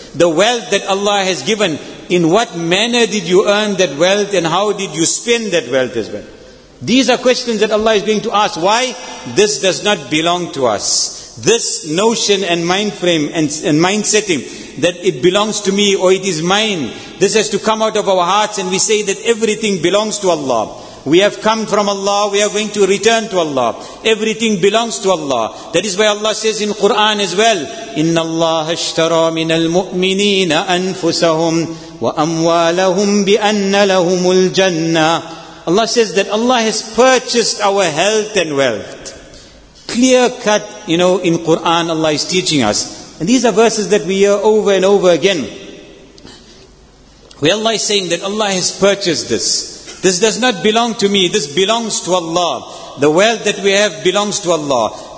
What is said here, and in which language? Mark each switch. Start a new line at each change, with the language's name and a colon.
English: The wealth that Allah has given. In what manner did you earn that wealth and how did you spend that wealth as well? These are questions that Allah is going to ask. Why? This does not belong to us. This notion and mind frame and mind setting that it belongs to me or it is mine, this has to come out of our hearts, and we say that everything belongs to Allah. We have come from Allah, we are going to return to Allah. Everything belongs to Allah. That is why Allah says in Quran as well,
Arabic: إِنَّ اللَّهَ اشْتَرَى مِنَ الْمُؤْمِنِينَ أَنفُسَهُمْ وَأَمْوَالَهُمْ بِأَنَّ لَهُمُ الْجَنَّةِ.
English: Allah says that Allah has purchased our health and wealth. Clear cut, you know, in Quran Allah is teaching us. And these are verses that we hear over and over again, where Allah is saying that Allah has purchased this. This does not belong to me, this belongs to Allah. The wealth that we have belongs to Allah.